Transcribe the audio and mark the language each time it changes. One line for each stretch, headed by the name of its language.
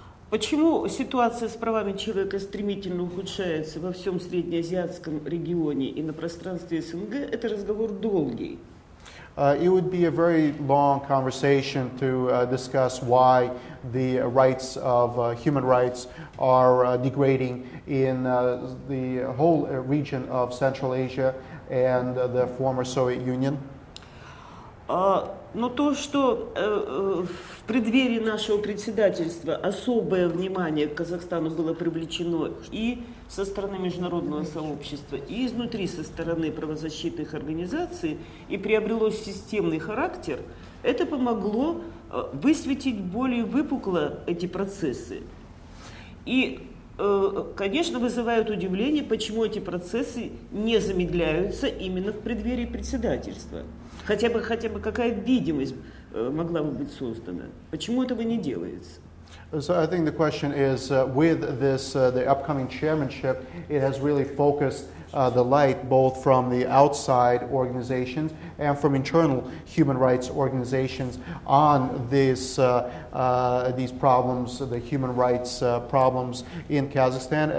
Russian: Почему ситуация с правами человека стремительно ухудшается во всем среднеазиатском регионе и на пространстве СНГ? Это разговор долгий.
English: It would be a very long conversation to discuss why the rights of human rights are degrading in the whole region of Central Asia and the former Soviet Union.
Russian: Но то, что в преддверии нашего председательства особое внимание к Казахстану было привлечено и со стороны международного сообщества, и изнутри со стороны правозащитных организаций, и приобрело системный характер, это помогло высветить более выпукло эти процессы. И, конечно, вызывает удивление, почему эти процессы не замедляются именно в преддверии председательства. Хотя бы какая видимость могла бы быть создана? Почему этого не делается?
English: So I think the question is, with this, the upcoming chairmanship, it has really focused the light both from the outside organizations and from internal human rights organizations on this, these problems, the human rights problems in Kazakhstan.